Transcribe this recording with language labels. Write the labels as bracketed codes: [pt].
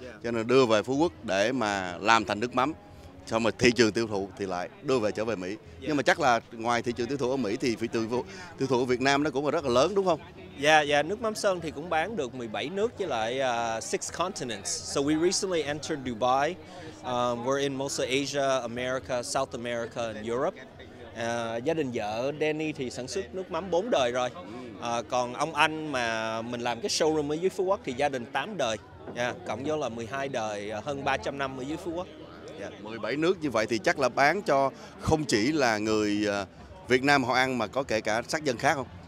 [vi] Cho nên đưa về Phú Quốc để mà làm thành nước mắm. Xong rồi thị trường tiêu thụ thì lại đưa về trở về Mỹ. Nhưng mà chắc là ngoài thị trường tiêu thụ ở Mỹ thì thị trường tiêu thụ ở Việt Nam nó cũng rất là lớn đúng không? Dạ, yeah, yeah. Nước mắm sơn thì cũng bán được 17 nước với lại 6 continents. [en] So we recently entered Dubai. We're in most of Asia, America, South America and Europe. [vi] Gia đình vợ Danny thì sản xuất nước mắm 4 đời rồi. Còn ông anh mà mình làm cái showroom ở dưới Phú Quốc thì gia đình 8 đời. Yeah, cộng vô là 12 đời, hơn 300 năm ở dưới Phú Quốc. Yeah. 17 nước như vậy thì chắc là bán cho không chỉ là người Việt Nam họ ăn mà có kể cả sắc dân khác không?